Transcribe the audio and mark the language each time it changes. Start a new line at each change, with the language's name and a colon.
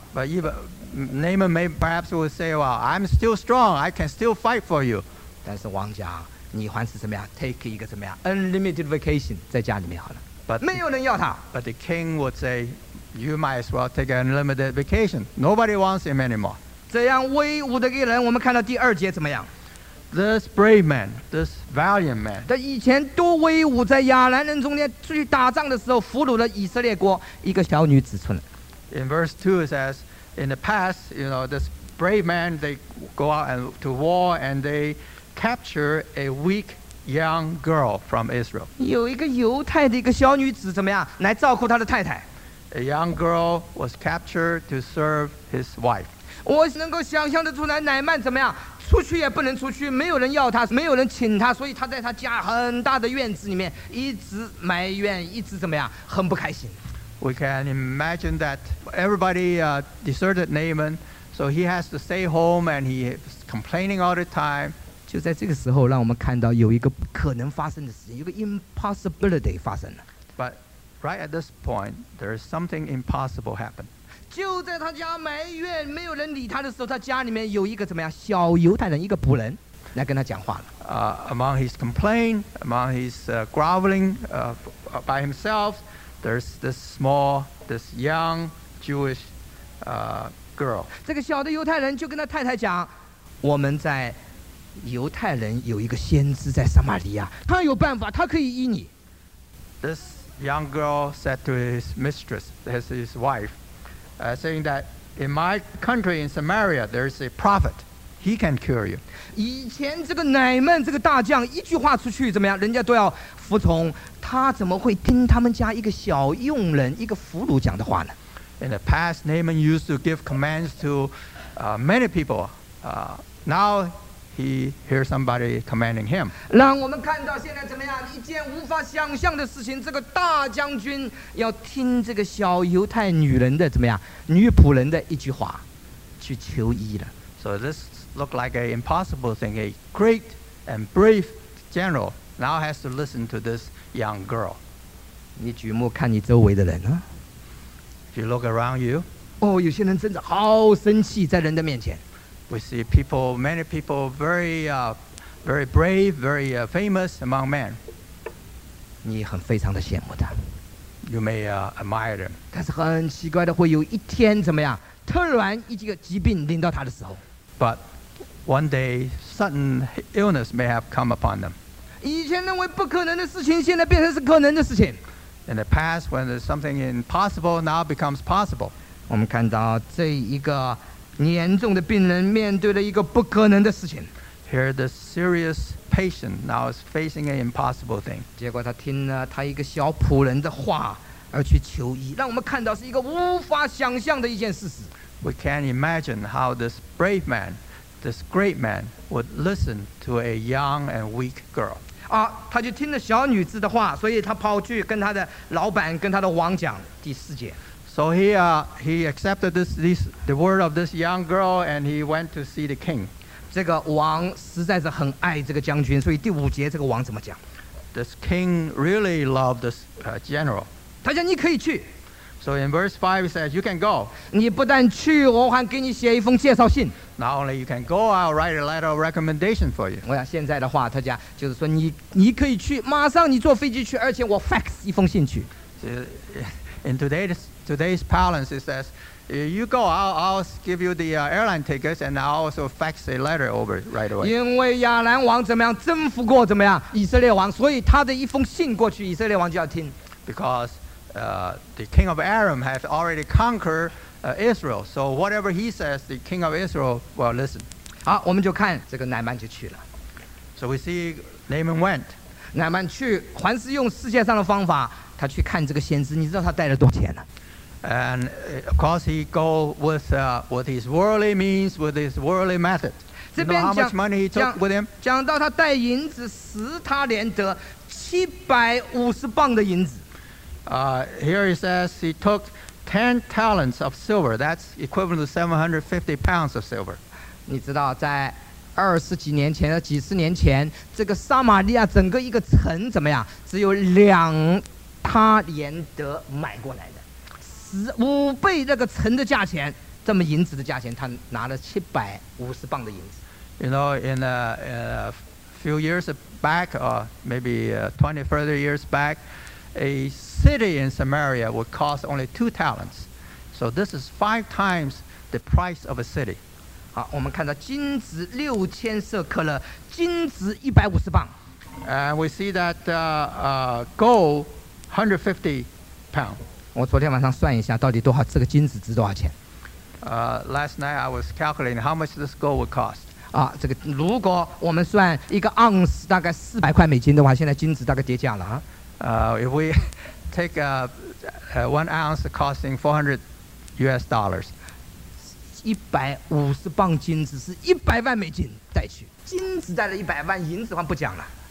English: But even Naaman may perhaps would say Well, I'm still strong I can still fight for you
Chinese: 但是王讲你还是怎么样
English: Take
Chinese: 一个怎么样
English: Unlimited vacation
Chinese: 在家里面好了
English: But
Chinese: 没有人要他
English: But the king would say You might as well take an unlimited vacation Nobody wants him anymore
Chinese: 这样威武的一个人我们看到第二节怎么样
English: This brave man, this valiant man.
Chinese: 他以前多威武，在亚兰人中间去打仗的时候，俘虏了以色列国一个小女子村。
English: In verse 2 it says, in the past, you know, this brave man, they go out and to war and they capture a weak young girl from Israel.
Chinese: 有一个犹太的一个小女子怎么样来照顾他的太太
English: ？A young girl was captured to serve his wife.
Chinese: 我能够想象得出来，乃曼怎么样？出去也不能出去没有人要他没有人请他所以他在他家很大的院子里面一直埋怨一直怎么样很不开心
English: We can imagine that everybody deserted Naaman so he has to stay home and he is complaining all the time
Chinese: 就在这个时候让我们看到有一个不可能发生的事情有个 impossibility 发生了
English: But right at this point there is something impossible happened
Chinese: 就在他家埋怨没有人理他的时候他家里面有一个怎么样小犹太人一个仆人来跟他讲话了、
English: among his complaint among his groveling by himself there's this young Jewish girl
Chinese: 这个小的犹太人就跟他太太讲我们在犹太人有一个先知在撒玛利亚他有办法他可以医你
English: this young girl said to his mistress that's his wife saying that in my country in Samaria there is a prophet he can cure you
Chinese: 以前这个乃曼这个大将一句话出去怎么样人家都要服从他怎么会听他们家一个小佣人一个俘虏讲的话呢
English: in the past Naaman used to give commands to many people now he hears somebody commanding him
Chinese: 让我们看到现在怎么样一件无法想象的事情这个大将军要听这个小犹太女人的怎么样女仆人的一句话去求医了
English: so this looked like an impossible thing a great and brave general now has to listen to this young girl
Chinese: 你举目看你周围的人、啊、
English: if you look around you
Chinese: 哦、oh, 有些人真的好生气在人的面前
English: We see many people very brave, very famous among men.
Chinese: 你很非常的羡慕他。
English: You may admire them.
Chinese: 但是很奇怪的会有一天怎么样突然一个疾病临到他的时候。
English: But one day, sudden illness may have come upon them.
Chinese: 以前认为不可能的事情现在变成是可能的事情。
English: In the past, when there's something impossible, now becomes possible.
Chinese: 我们看到这一个严重的病人面对了一个不可能的事情
English: Here the serious patient now is facing an impossible thing
Chinese: 结果他听了他一个小仆人的话而去求医让我们看到是一个无法想象的一件事实
English: We can't imagine how this brave man this great man would listen to a young and weak girl
Chinese: 啊，他就听了小女子的话所以他跑去跟他的老板跟他的王讲第四节
English: So he accepted the word of this young girl and he went to see the king.
Chinese: 这个王实在是很爱这个将军，所以第五节这个王怎么讲
English: ？This king really loved this general.
Chinese: 他讲你可以去。
English: So in verse 5 he says you can go.
Chinese: 你不但去，我还给你写一封介绍信。
English: Not only you can go, I'll write a letter of recommendation for you.
Chinese: 我想现在的话，他讲就是说你可以去，马上你坐飞机去，而且我 fax 一封信去。
English: In today's parlance, it says. You go, I'll give you the airline tickets and I'll also fax a letter over right away.
Chinese: 因为亚兰王怎么样征服过怎么样以色列王，所以他的一封信过去，以色列王就要听。
English: Because the king of Aram has already conquered Israel, so whatever he says, the king of Israel will listen.
Chinese: 好，我们就看这个乃曼就去了。
English: So we see Naaman went.
Chinese: 乃曼去，还是用世界上的方法，他去看这个先知。你知道他带了多少钱呢？
English: And of course, he go with his worldly means, with his worldly method. You know how much money he took with him?
Chinese: 讲到他带银子，使他连得750磅的银子。
English: Here he says he took 10 talents of silver. That's equivalent to 750 pounds of silver.
Chinese: 你知道，在二十几年前、几十年前，这个撒玛利亚整个一个城怎么样？只有2 talents买过来。五倍那个城的价钱，这么银子的价钱，他拿了750磅的银子。
English: You know, in a few years back, or maybe 20 further years back, a city in Samaria would cost only 2 talents. So this is 5 times the price of a city.
Chinese: 好，我们看到金子6000色克勒，金子150磅。
English: And we see that gold 150 pounds.
Chinese: 我昨天晚上算一下，到底多少这个金子值多少钱
English: ？Last night I was calculating how much this gold would cost.
Chinese: 啊，这个如果我们算一个盎司大概$400的话，现在金子大概跌价了啊。
English: If we take one ounce costing $400,
Chinese: 150磅金子是$100,000带去，金子带了$100,000，银子还不讲了。